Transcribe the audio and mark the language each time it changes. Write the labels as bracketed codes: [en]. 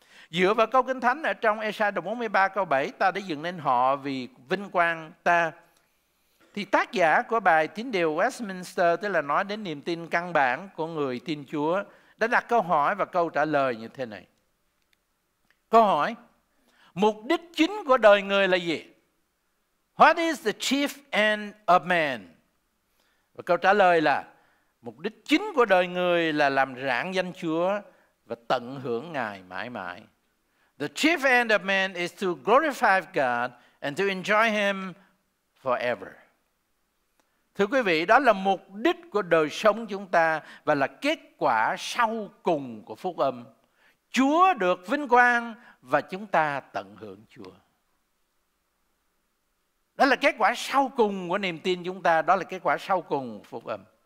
[vi] Dựa vào câu Kinh Thánh ở trong Esai đồng 43 câu 7, ta đã dựng nên họ vì vinh quang ta. Thì tác giả của bài Thánh Điều Westminster, tức là nói đến niềm tin căn bản của người tin Chúa, đã đặt câu hỏi và câu trả lời như thế này. Câu hỏi, mục đích chính của đời người là gì? [en] What is the chief end of man? [vi] Và câu trả lời là, mục đích chính của đời người là làm rạng danh Chúa và tận hưởng Ngài mãi mãi. [en] The chief end of man is to glorify God and to enjoy Him forever. [vi] Thưa quý vị, đó là mục đích của đời sống chúng ta và là kết quả sau cùng của phúc âm. Chúa được vinh quang và chúng ta tận hưởng Chúa. Đó là kết quả sau cùng của niềm tin chúng ta, đó là kết quả sau cùng của phúc âm.